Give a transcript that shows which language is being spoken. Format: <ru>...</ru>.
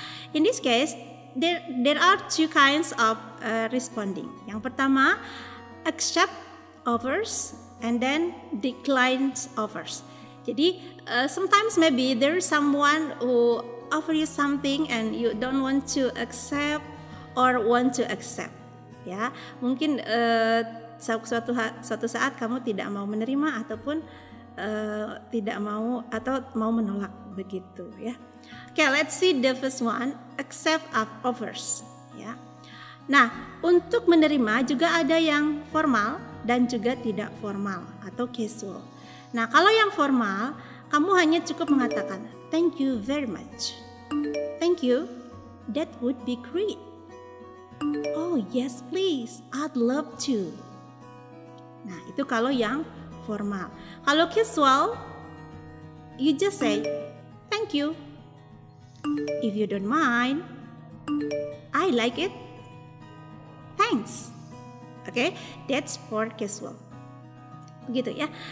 <en>In this case, there are two kinds of responding.</en> <id>Yang pertama,</id> <en>accept offers and then decline offers. Jadi, sometimes maybe there is someone who offer you something and you don't want to accept or want to accept.</en> <id>Ya, mungkin suatu saat kamu tidak mau menerima ataupun tidak mau atau mau menolak begitu, ya.</id> <en>Okay, let's see the first one, accept offers.</en> <id>Ya. Nah, untuk menerima juga ada yang formal dan juga tidak formal atau casual. Nah, kalau yang formal, kamu hanya cukup mengatakan</id> <en>thank you very much. Thank you, that would be great. Oh yes please, I'd love to.</en> <id>Nah, itu kalau yang formal.</id> <en>Kalau casual, you just say thank you. If you don't mind, I like it. Thanks. Okay, that's for casual.</en> <id>Begitu ya.</id>